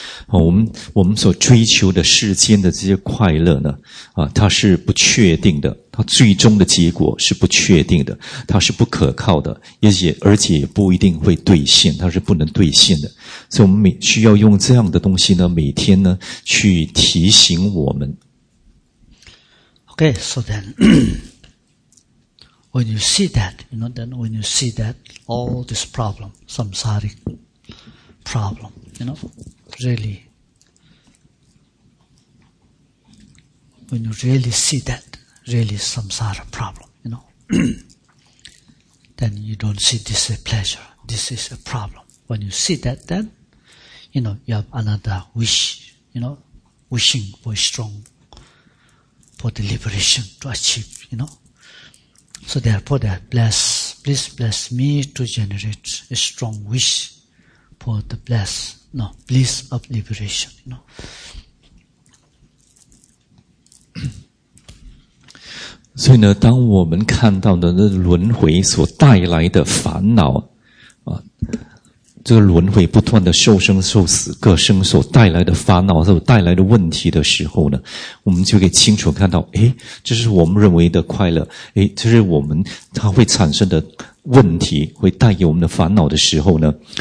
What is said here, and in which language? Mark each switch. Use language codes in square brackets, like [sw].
[zh] 哦、我们所追求的世间的这些快乐呢，啊，它是不确定的，它最终的结果是不确定的，它是不可靠的，而且也不一定会兑现，它是不能兑现的。所以，我们需要用这样的东西呢，每天呢去提醒我们。 [en] Okay, so then. When you see that, you know, then when you see that all this problem, samsaric problem, you know, really, when you really see that, really samsara problem, you know, then you don't see this as a pleasure, this is a problem. When you see that, then, you know, you have another wish, you know, wishing for strong, for the liberation to achieve, you know. So therefore that please bless me to generate a strong wish for the bliss of liberation, you know. [zh] 所以呢，当我们看到的那轮回所带来的烦恼啊，这个轮回不断的受生受死，各生所带来的烦恼，所带来的问题的时候呢，我们就可以清楚看到，诶，这是我们认为的快乐，诶，这是我们它会产生的问题，会带给我们的烦恼的时候呢，